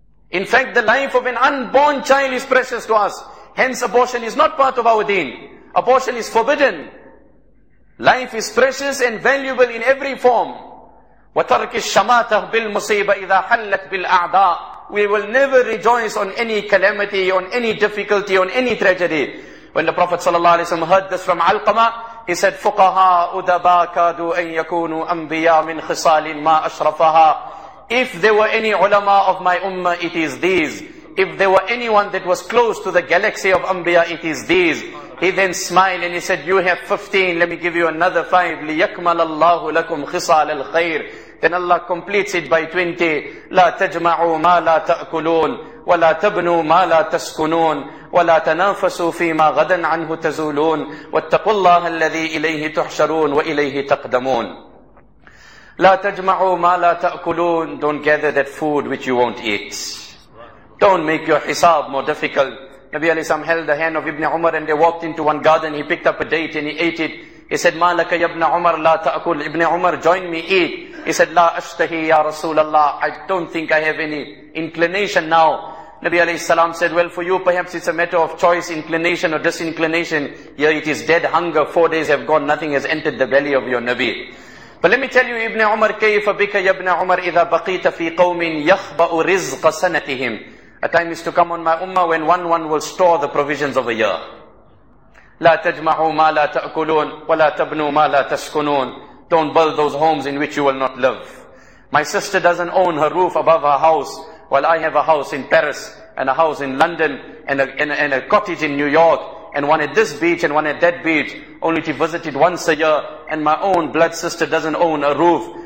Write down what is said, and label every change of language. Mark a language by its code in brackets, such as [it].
[en] In fact, the life of an unborn child is precious to us. Hence, abortion is not part of our deen. Abortion is forbidden. Life is precious and valuable in every form. وَتَرْكِ الشَّمَاتَهُ بِالْمُصِيبَةِ إِذَا حَلَّتْ بِالْأَعْدَاءِ. We will never rejoice on any calamity, on any difficulty, on any tragedy. When the Prophet ﷺ heard this from Alqama, he said, [ar] فُقَهَا أُدَبَا كَادُوا أَن يَكُونُوا أَنْبِيَا مِنْ خِصَالٍ مَا أَشْرَفَهَا. [en] If there were any ulama of my ummah, it is these. If there were anyone that was close to the galaxy of anbiya, it is these. He then smiled and he said, you have 15, let me give you another 5. [ar] لِيَكْمَلَ اللَّهُ لَكُمْ خِصَالَ الْخَيْرِ. [en] Then Allah completes it by 20. [ar] لَا تَجْمَعُوا مَا لَا تَأْكُلُونَ وَلَا تَبْنُوا مَا لَا تَسْكُنُونَ وَلَا تَنَافَسُوا فِي مَا غَدًا عَنْهُ تَزُولُونَ وَاتَّقُوا اللَّهَ الَّذِي إِلَيْهِ تُحْشَرُونَ وَإِلَيْهِ تَقْدَمُونَ. لَا تَجْمَعُوا مَا لَا تَأْكُلُونَ. [en] Don't gather that food which you won't eat. Don't make your hisab more difficult. Nabi alayhi salam held the hand of Ibn Umar and they walked into one garden. He picked up a date and he ate it. He said, [ar] مَا لَكَ يَبْنَ عُمَرْ لَا تَأْكُلُ. [en] Ibn Umar, join me, eat. He said, [ar] لَا أَشْتَهِي يَا رَسُولَ اللَّهِ. [en] I don't think I have any inclination now. Nabi alayhi salam said, well, for you perhaps it's a matter of choice, inclination or disinclination. Here it is dead hunger. 4 days have gone. Nothing has entered the belly of your Nabi. But let me tell you, Ibn Umar, [ar] كَيْفَ بِكَ يَبْنَ عُمَرْ إِذَا بَقِيتَ فِي قَوْمٍ يَخْبَأُ رِزْقَ سَنَتِهِمْ. [en] A time is to come on my ummah when one will store the provisions of a year. [ar] لَا تَجْمَعُوا مَا لَا تَأْكُلُونَ وَلَا تَبْنُوا مَا لَا تَسْكُنُونَ. [en] Don't build those homes in which you will not live. My sister doesn't own her roof above her house, while I have a house in Paris, and a house in London, and a cottage in New York, and one at this beach and one at that beach, only to visit it once a year, and my own blood sister doesn't own a roof.